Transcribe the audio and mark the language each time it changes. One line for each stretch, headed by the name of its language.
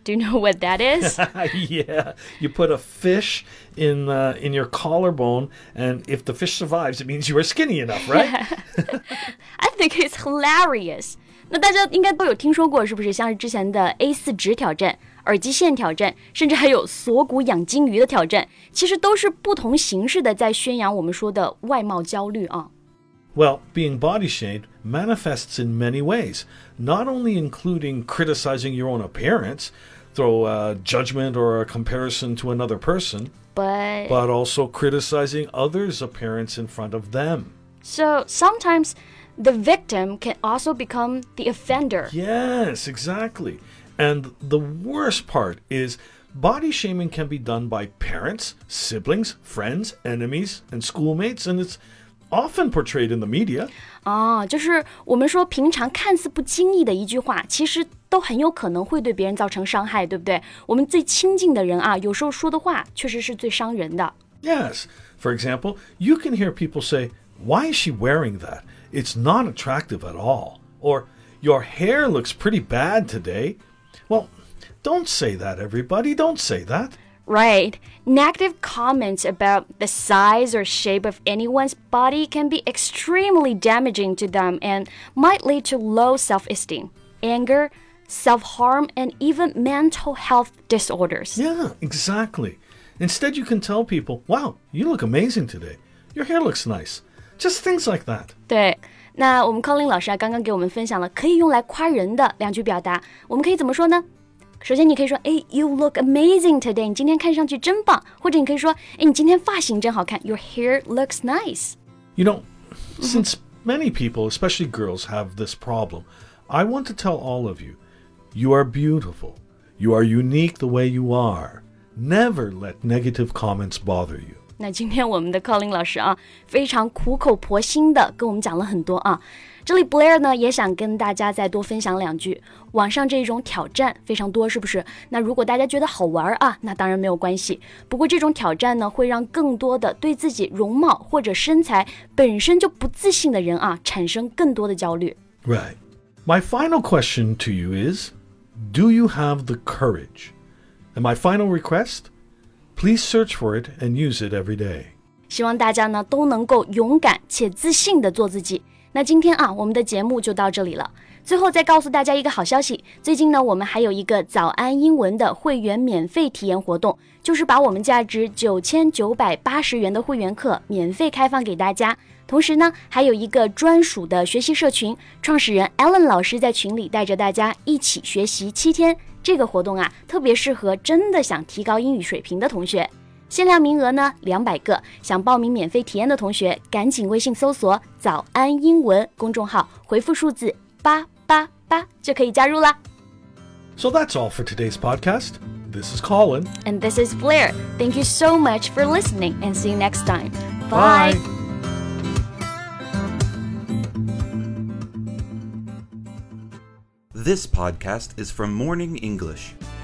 English: Do you know what that is? Yeah. You put a fish in your collarbone, and if the fish survives, it means you are skinny enough, right? I think it's hilarious.
Chinese: 那大家应该都有听说过，是不是？像是之前的 A4 纸挑战、耳机线挑战，甚至还有锁骨养金鱼的挑战，其实都是不同形式的在宣扬我们说的外貌焦虑啊。
English: Well, being body shamed manifests in many ways, not only including criticizing your own appearance, through a judgment or a comparison to another person, but also criticizing others' appearance in front of them. So sometimes the victim can also become the offender. Yes, exactly. And the worst part is body shaming can be done by parents, siblings, friends, enemies, and schoolmates, and it's... often portrayed in the media.
Chinese: 哦，就是我们说平常看似不经意的一句话，其实都很有可能会对别人造成伤害，对不对？我们最亲近的人啊，有时候说的话确实是最伤人的。
English: Yes, for example, you can hear people say, "Why is she wearing that? It's not attractive at all." Or, "Your hair looks pretty bad today." Well, don't say that, everybody. Don't say that. Right. Negative comments about the size or shape of anyone's body can be extremely damaging to them and might lead to low self-esteem, anger, self-harm, and even mental health disorders. Yeah, exactly. Instead, you can tell people, wow, you look amazing today. Your hair looks nice. Just things like that.
Chinese: 对，那我们 Colin 老师啊，刚刚给我们分享了可以用来夸人的两句表达，我们可以怎么说呢？首先你可以说、哎、
English: You look amazing today
Chinese: 你今天看上去真棒或者你可以说、哎、你今天发型真好看
English: Your hair looks nice You know, since many people, especially girls, have this problem I want to tell all of you You are beautiful You are unique the way you are Never let negative comments bother you
Chinese: 那今天我们的 Colin 老师啊非常苦口婆心的跟我们讲了很多啊这里 Blair 呢也想跟大家再多分享两句网上这种挑战非常多是不是那如果大家觉得好玩啊那当然没有关系不过这种挑战呢会让更多的对自己容貌或者身材本身就不自信的人啊产生更多的焦虑
English: Right My final question to you is Do you have the courage? And my final request Please search for it and use it every day
Chinese: 希望大家呢都能够勇敢且自信地做自己那今天啊我们的节目就到这里了最后再告诉大家一个好消息最近呢我们还有一个早安英文的会员免费体验活动就是把我们价值9980元的会员课免费开放给大家同时呢还有一个专属的学习社群创始人 Alan 老师在群里带着大家一起学习7天这个活动啊特别适合真的想提高英语水平的同学限量名额呢200个想报名免费体验的同学赶紧微信搜索早安英文公众号回复数字888就可以加入了
English: So that's all for today's podcast This is Colin And this is Blair Thank you so much for listening And see you next time Bye, Bye. This podcast is from Morning English